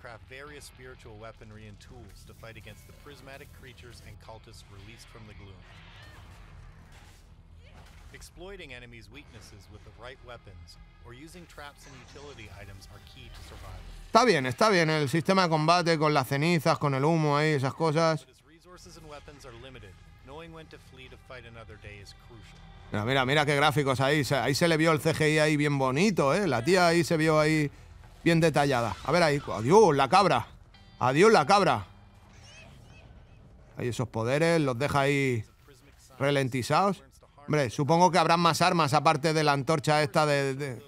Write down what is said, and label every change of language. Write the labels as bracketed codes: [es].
[en] Various spiritual weaponry and tools to fight against the prismatic creatures and cultists released from the gloom. Exploiting enemies' weaknesses with the right weapons or using traps and utility items are key to survival. [es] Está bien el sistema de combate con las cenizas, con el humo ahí, esas cosas. [en] But as resources and weapons are limited, knowing when to flee to fight another day is crucial. [es] Mira qué gráficos ahí, ahí se le vio el CGI ahí bien bonito, ¿eh? La tía ahí se vio ahí bien detallada. A ver ahí. ¡Adiós, la cabra! ¡Adiós, la cabra! Ahí esos poderes los deja ahí ralentizados. Hombre, supongo que habrán más armas aparte de la antorcha esta de...